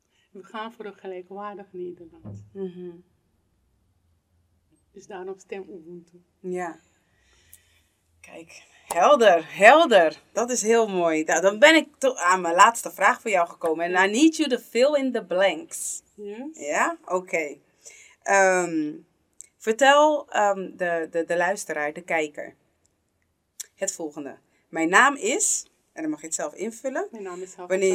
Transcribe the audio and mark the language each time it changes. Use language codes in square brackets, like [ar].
[nl] We gaan voor een gelijkwaardig Nederland. Dus daarom stem Ubuntu. Ja. Kijk, helder. Dat is heel mooi. Nou, dan ben ik aan mijn laatste vraag voor jou gekomen. [en] And I need you to fill in the blanks. Yes. [nl] Ja? Okay. Vertel de luisteraar, de kijker, het volgende. Mijn naam is, en dan mag je het zelf invullen. Mijn naam is Helga wanneer